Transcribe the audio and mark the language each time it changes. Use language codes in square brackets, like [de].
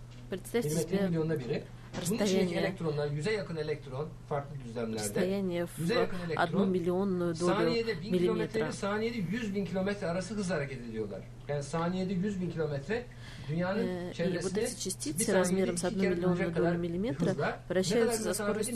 [ru] Представьте себе расстояние, расстояние в одну миллионную долю миллиметра. [tr] Saniyede 100 bin kilometre arası hızla hareket ediyorlar. Yani saniyede 100 bin kilometre dünyanın çevresinde [ru] вот эти частицы размером с 1 миллионную долю миллиметра вращаются со скоростью